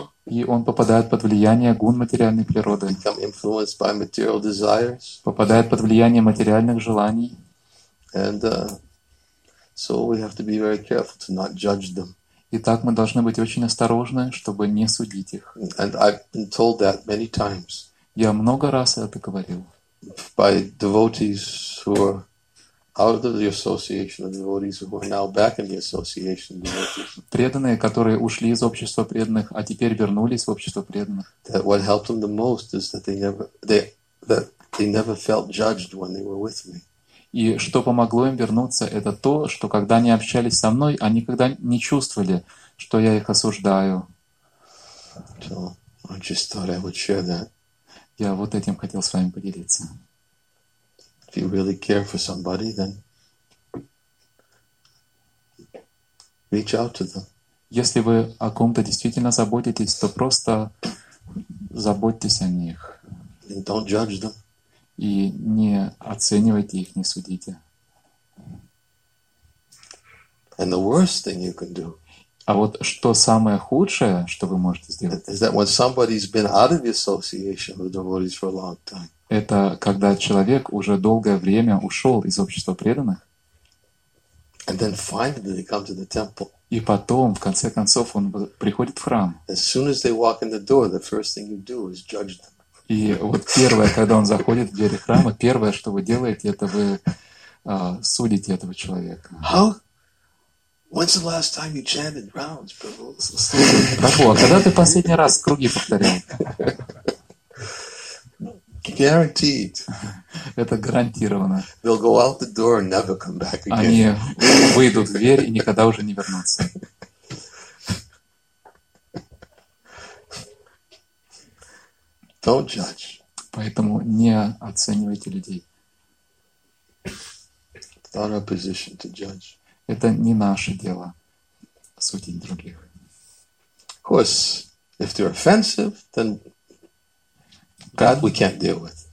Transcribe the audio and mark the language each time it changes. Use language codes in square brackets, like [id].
[ru] И он попадает под влияние гун материальной природы. [en] Become influenced by material desires. [ru] Попадает под влияние материальных желаний. [en] And so we have to be very careful to not judge them. [ru] Итак, мы должны быть очень осторожны, чтобы не судить их. [en] And I've been told that many times. [ru] Я много раз это говорил. [en] By devotees who are out of the association of devotees who are now back in the association of devotees. [ru] Преданные, которые ушли из общества преданных, а теперь вернулись в общество преданных. [en] That what helped them the most is that they never felt judged when they were with me. [ru] И что помогло им вернуться, это то, что когда они общались со мной, они никогда не чувствовали, что я их осуждаю. [en] So I just thought I would share that. [ru] Я вот этим хотел с вами поделиться. [en] If you really care for somebody, then reach out to them. [ru] Если вы о ком-то действительно заботитесь, то просто заботьтесь о них. [en] And don't judge them. [ru] И не оценивайте их, не судите. [en] And the worst thing you can do. [ru] А вот что самое худшее, что вы можете сделать? [en] Is that when somebody's been out of the association of devotees for a long time. [ru] Это когда человек уже долгое время ушел из общества преданных. [en] And then finally they come to the temple. [ru] И потом, в конце концов, он приходит в храм. [en] As soon as they walk in the door, the first thing you do is judge them. [ru] И вот первое, когда он заходит в двери храма, первое, что вы делаете, это вы судите этого человека. [en] How? When's the last time you chanted rounds, Prabhu? [ru] Прабху, а когда ты последний раз круги повторял? [en] Guaranteed. [ru] Это гарантированно. [en] They'll go out the door and never come back again. [ru] Они выйдут в дверь и никогда уже не вернутся. [en] Don't judge. [ru] Поэтому не оценивайте людей. [en] It's not our position to judge. [ru] Это не наше дело судить других. [en] Of course, if they're offensive, then that we can't deal with.